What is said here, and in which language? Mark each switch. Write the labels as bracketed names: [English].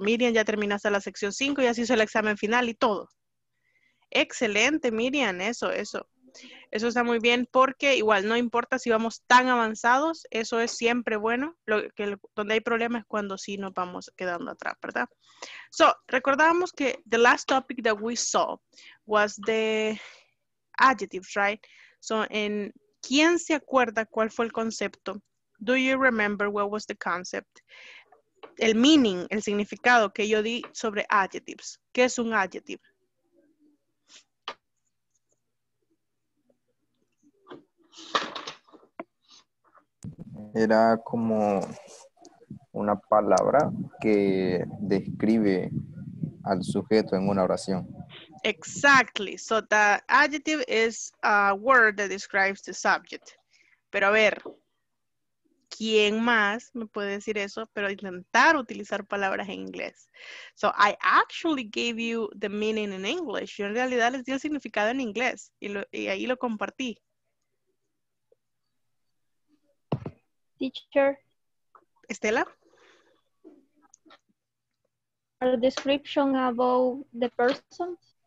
[Spanish] Miriam ya terminó hasta la sección 5, ya se hizo el examen final y todo. Excelente, Miriam, eso está muy bien, porque igual no importa si vamos tan avanzados, eso es siempre bueno. Donde hay problemas es cuando sí nos vamos quedando atrás, ¿verdad? [English] So, [Spanish] recordábamos que [English] the last topic that we saw was the adjectives, right? [Spanish] So, en ¿quién se acuerda cuál fue el concepto? [English] Do you remember what was the concept? [Spanish] El meaning, el significado que yo di sobre adjectives. ¿Qué es un adjective? Era como una palabra que describe al sujeto en una oración. [English] Exactly. So the adjective is a word that describes the subject. [Spanish] Pero a ver, ¿quién más me puede decir eso? Pero intentar utilizar palabras en inglés. [English] So I actually gave you the meaning in English. [Spanish] Yo en realidad les di el significado en inglés y ahí lo compartí. [English] Teacher. Estela. A description about the person.